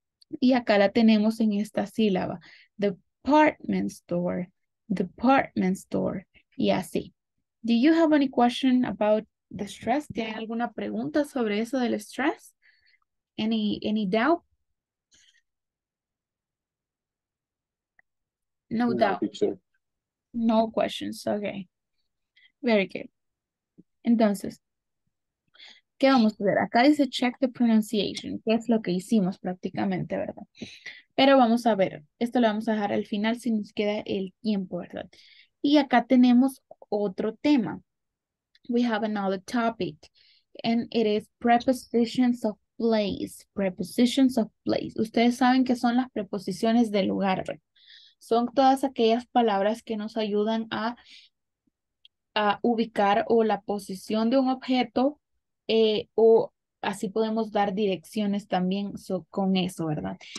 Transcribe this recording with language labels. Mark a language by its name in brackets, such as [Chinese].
[Spanish] Y acá la tenemos en esta sílaba, department store, y así. [English] Do you have any question about the stress? [Spanish] ¿Tiene alguna pregunta sobre eso del stress? [English] Any doubt? No No doubt. picture. No questions. Ok. Very good. [Spanish] Entonces, ¿qué vamos a hacer? Acá dice [English] check the pronunciation, [Spanish] que es lo que hicimos prácticamente, ¿verdad? Pero vamos a ver, esto lo vamos a dejar al final si nos queda el tiempo, ¿verdad? Y acá tenemos otro tema. [English] We have another topic, and it is prepositions of place. Prepositions of place. [Spanish] Ustedes saben qué son las preposiciones de lugar, ¿verdad? Son todas aquellas palabras que nos ayudan a ubicar o la posición de un objeto, o así podemos dar direcciones también con eso, ¿verdad?